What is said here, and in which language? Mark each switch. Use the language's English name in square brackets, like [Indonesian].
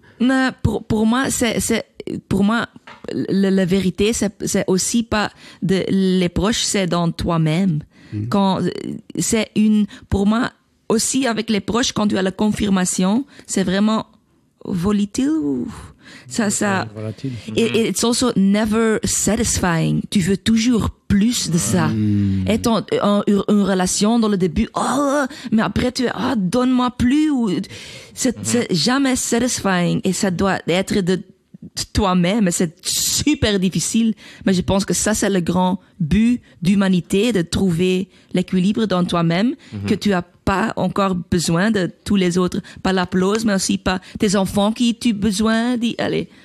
[French] Non, pour moi, c'est pour moi, la vérité, c'est aussi pas de les proches, c'est dans toi-même. Mm-hmm. Quand c'est une, pour moi, aussi avec les proches, quand tu as la confirmation, c'est vraiment volatile ou ça. Volatile. [English] It's also never satisfying. [French] Tu veux toujours plus de ça. Étant une relation dans le début, oh, mais après tu es, oh, donne-moi plus. Ou, c'est jamais satisfying et ça doit être de toi-même, c'est super difficile, mais je pense que ça, c'est le grand but d'humanité, de trouver l'équilibre dans toi-même, que tu n'as pas encore besoin de tous les autres, pas l'applause, mais aussi pas tes enfants qui tu as besoin d'y aller.